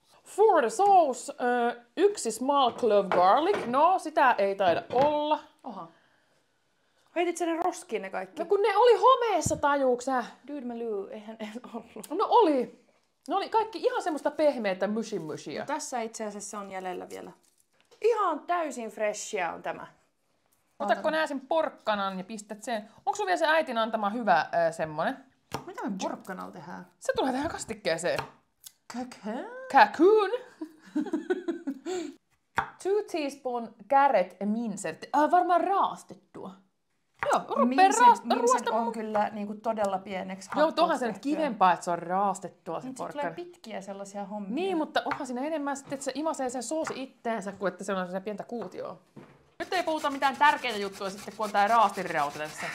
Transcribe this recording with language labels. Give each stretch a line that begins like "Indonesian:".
English: For the sauce, 1 small clove garlic.
Finnish: No, sitä ei taida olla. Oha. Heitit sen roskiin ne kaikki. No kun ne oli homeessa, tajuuksä. Dude, mä lyy, eihän en ollut. No oli. Ne oli kaikki ihan semmoista pehmeätä mushy-mushyä. Tässä itse asiassa on jäljellä vielä. Ihan täysin freshia on tämä. Otatko nää sen porkkanan ja pistät sen. Onko sun vielä se äitin antama hyvä semmonen? Mitä me porkkanalla tehdään? Se tulee tähän kastikkeeseen. Cocoon.
English: 2 teaspoon carrot minced.
Finnish: Varmaan raastettua. Joo, minced on kyllä niinku todella pieneksi. Joo, tuohan se nyt kivempaa, että se on raastettua se porkkana. Tulee pitkiä sellaisia hommia. Niin, mutta onhan siinä enemmän sitten, että se imasee sen soosi itteensä, kuin että se on sellaisia pientä kuutioa. Nyt ei puhuta mitään tärkeitä juttuja sitten, kun on tää raastirauta tässä.